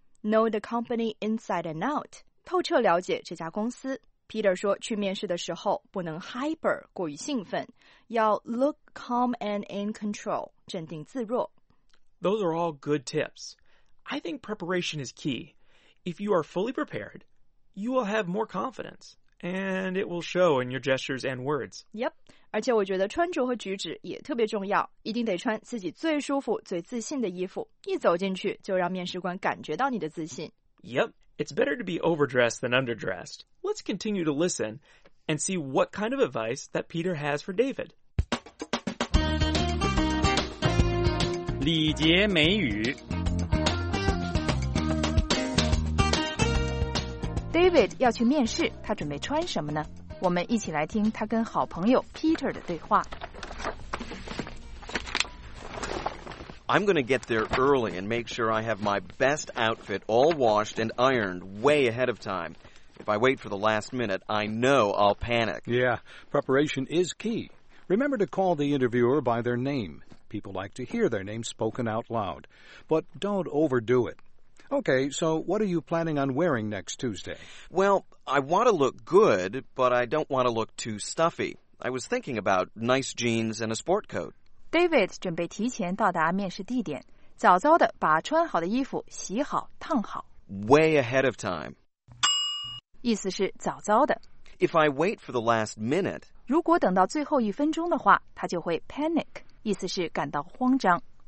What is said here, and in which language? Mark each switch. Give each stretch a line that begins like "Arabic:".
English: Know the company inside and out.
Chinese: 透彻了解这家公司 Peter 说去面试的时候不能 hyper 过于兴奋要
English: look calm and in control
Chinese: 镇定自若
English: Those are all good tips I think preparation is key If you are fully prepared You will have more confidence And it will show in your gestures and words
Chinese: Yep 而且我觉得穿着和举止也特别重要一定得穿自己最舒服最自信的衣服一走进去就让面试官感觉到你的自信
English: YepIt's better to be overdressed than underdressed. Let's continue to listen and see what kind of advice that Peter has for David.
Chinese: 礼节美语 David 要去面试,他准备穿什么呢?我们一起来听他跟好朋友 Peter 的对话。
English: I'm going to get there early and make sure I have my best outfit all washed and ironed way ahead of time. If I wait for the last minute, I know I'll panic. Yeah, preparation is key. Remember to call the interviewer by their name. People like to hear their name spoken out loud. But don't overdo it. Okay, so what are you planning on wearing next Tuesday? Well, I want to look good, but I don't want to look too stuffy. I was thinking about nice jeans and a sport coat.
Chinese: David 准备提前到达面试地点，早早地把穿好的衣服洗好烫好。
English: Way ahead of time.
Chinese: 意思是早早的。
English: If I wait for the last minute,
Chinese: 如果等到最后一分钟的话，他就会 panic, 意思是感到慌张。